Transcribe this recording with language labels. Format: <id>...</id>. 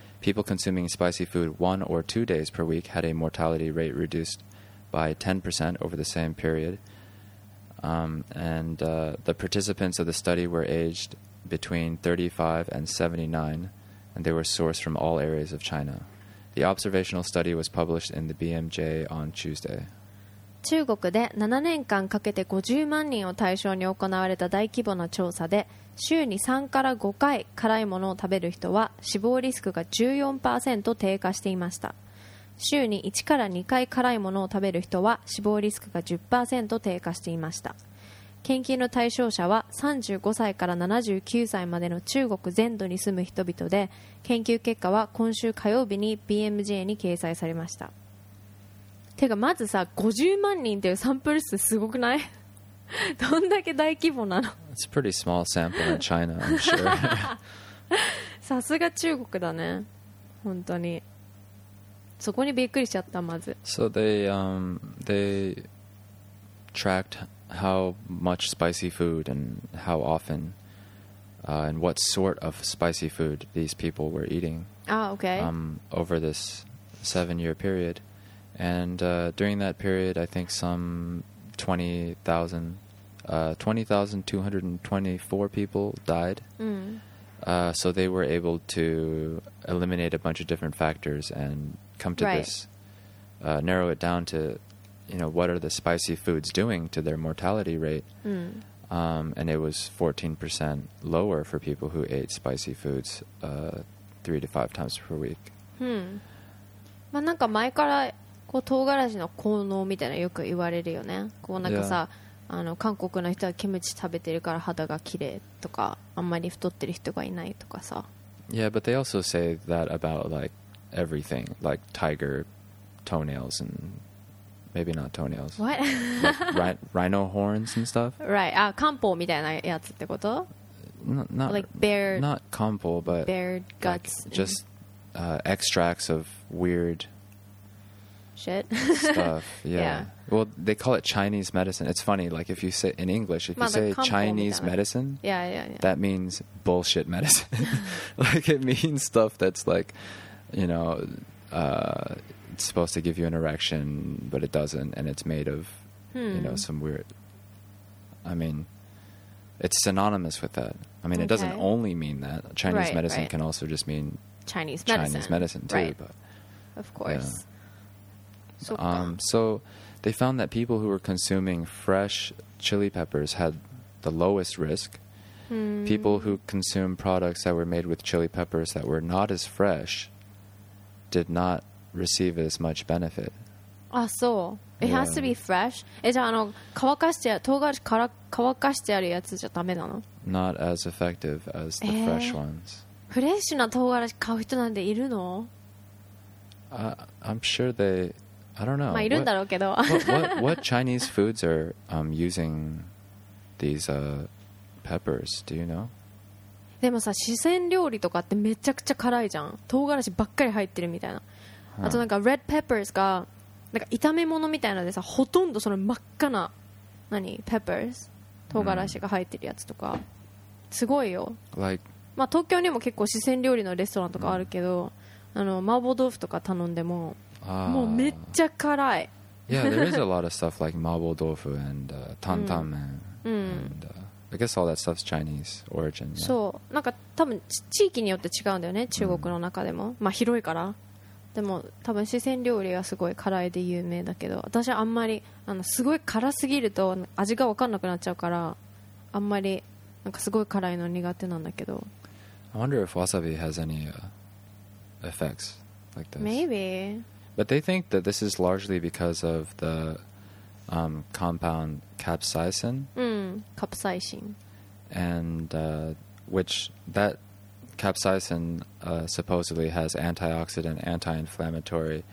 <en>People consuming spicy food 1 or 2 days per week had a mortality rate reduced by 10% over the same period. The participants of the study were aged between 35 and 79, and they were sourced from all areas of China. The observational study was published in the BMJ on Tuesday.</en> <ja>中国で7年間かけて50万人を対象に行われた大規模な調査で、週に3から5回辛いものを食べる人は死亡リスクが 14% 低下していました。週に1から2回辛いものを食べる人は死亡リスクが 10% 低下していました。研究の対象者は35歳から79歳までの中国全土に住む人々で、研究結果は今週火曜日に BMJ に掲載されました。てかまずさ、50万人っていうサンプル数すごくない？どんだけ大規模なの？</ja> <en>It's a pretty small sample in China, I'm sure.</en> <ja>さすが中国だね。本当に。そこにびっくりしちゃった、まず。</ja> <en>So they tracked how much spicy food and how often, and what sort of spicy food these people were eating. Ah, okay. Over this 7-year period. And during that period, I think some 20,224 people died. Mm. So they were able to eliminate a bunch of different factors and come to this, narrow it down to, you know, what are the spicy foods doing to their mortality rate? Mm. And it was 14% lower for people who ate spicy foods 3 to 5 times per week. Mm.</en> <ja>まあなんか前からこう唐辛子の効能みたいなよく言われるよね。こうなんかさ、あの韓国の人はキムチ食べてるから肌が綺麗とか、あんまり太ってる人がいないとかさ。</ja> <en>Yeah, but they also say that about like everything, like tiger toenails and maybe not toenails. What? Like rhino horns and stuff. Right.</en> <ja>あ、漢方みたいなやつってこと？</ja> <en>Not like bear. Not 漢方, but bear guts. Like just extracts of weird. Shit. Stuff, yeah. Well, they call it Chinese medicine. It's funny, like if you say in English, if you say Chinese medicine, yeah. That means bullshit medicine. Like it means stuff that's like, you know, it's supposed to give you an erection, but it doesn't, and it's made of, you know, some weird. I mean, it's synonymous with that. I mean, it doesn't only mean that. Chinese medicine can also just mean Chinese medicine too, but of course. Yeah. So they found that people who were consuming fresh chili peppers had the lowest risk. People who consumed products that were made with chili peppers that were not as fresh did not receive as much benefit. Ah, so it has to be fresh. Is that no?</en> <ja>乾かして唐辛子から乾かしてあるやつじゃダメなの?</ja> <en>Not as effective as the fresh ones.</en> <ja>フレッシュな唐辛子買う人なんているの?</ja> <en>I'm sure they. I don't know.</en> <ja>まあいるんだろうけど。</ja> <en>What Chinese foods are using these peppers? Do you know?</en> <ja>でもさ、四川料理とかってめちゃくちゃ辛いじゃん。唐辛子ばっかり入ってるみたいな。あとなんか red peppers がなんか炒め物みたいなでさ、ほとんどその真っ赤な何 peppers 唐辛子が入ってるやつとか、すごいよ。</ja> <en>Like,</en> <ja>まあ東京にも結構四川料理のレストランとかあるけど、あの麻婆豆腐とか頼んでも。もうめっちゃ辛い。</ja> <en>Yeah, there is a lot of stuff like 麻婆豆腐 and 担々麺 and I guess all that stuff's Chinese origin.</en> <ja>そう、なんか多分地域によって違うんだよね、中国の中でも。まあ広いから。でも多分四川料理はすごい辛いで有名だけど、私はあんまりすごい辛すぎると味が分かんなくなっちゃうから、あんまりなんかすごい辛いの苦手なんだけど。</ja> <en>I wonder if wasabi has any effects like this. Maybe. But they think that this is largely because of the compound capsaicin. Capsaicin. And which that capsaicin supposedly has antioxidant, anti-inflammatory,</en>